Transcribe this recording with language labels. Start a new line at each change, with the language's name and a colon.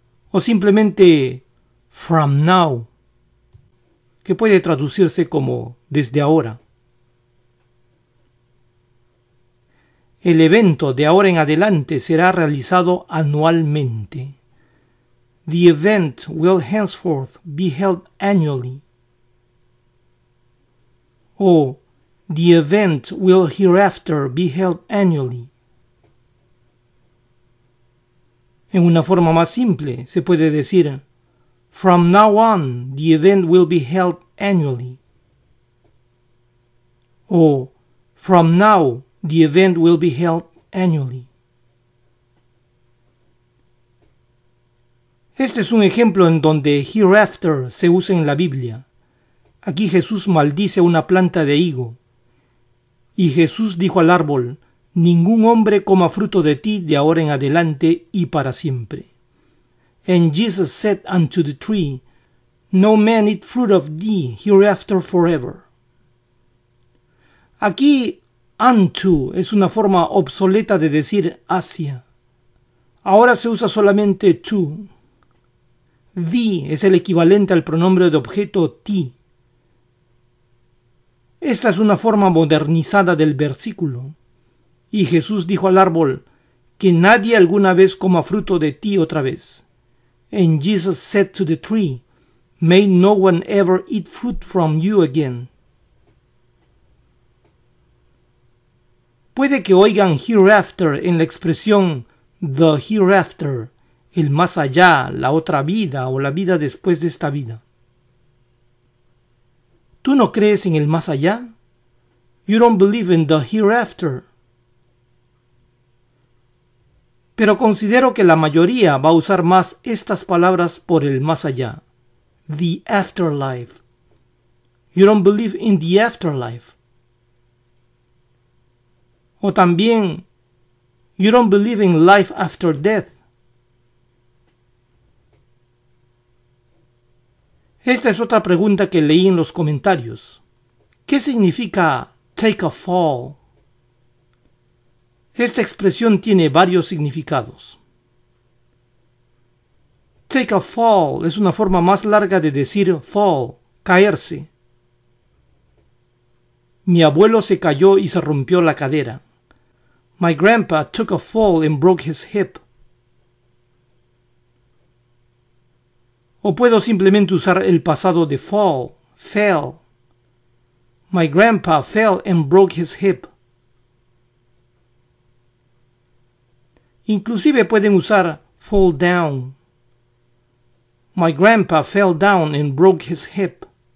Spanish: O simplemente
English: from now,
Spanish: que puede traducirse como desde ahora. El evento de ahora en adelante será realizado anualmente.
English: The event will henceforth be held annually.
Spanish: O
English: the event will hereafter be held annually.
Spanish: En una forma más simple, se puede decir,
English: from now on, the event will be held annually.
Spanish: O,
English: from now, the event will be held annually.
Spanish: Este es un ejemplo en donde hereafter se usa en la Biblia. Aquí Jesús maldice una planta de higo. Y Jesús dijo al árbol, ningún hombre coma fruto de ti de ahora en adelante y para siempre.
English: And Jesus said unto the tree, no man eat fruit of thee hereafter forever.
Spanish: Aquí, unto es una forma obsoleta de decir hacia. Ahora se usa solamente to. Thee es el equivalente al pronombre de objeto ti. Esta es una forma modernizada del versículo. Y Jesús dijo al árbol, que nadie alguna vez coma fruto de ti otra vez.
English: And Jesus said to the tree, may no one ever eat fruit from you again.
Spanish: Puede que oigan hereafter en la expresión the hereafter, el más allá, la otra vida o la vida después de esta vida. ¿Tú no crees en el más allá?
English: You don't believe in the hereafter.
Spanish: Pero considero que la mayoría va a usar más estas palabras por el más allá.
English: The afterlife. You don't believe in the afterlife.
Spanish: O también,
English: you don't believe in life after death.
Spanish: Esta es otra pregunta que leí en los comentarios. ¿Qué significa take a fall? Esta expresión tiene varios significados. Take a fall es una forma más larga de decir fall, caerse. Mi abuelo se cayó y se rompió la cadera.
English: My grandpa took a fall and broke his hip.
Spanish: O puedo simplemente usar el pasado de fall, fell.
English: My grandpa fell and broke his hip.
Spanish: Inclusive pueden usar
English: fall down. My grandpa fell down and broke his hip.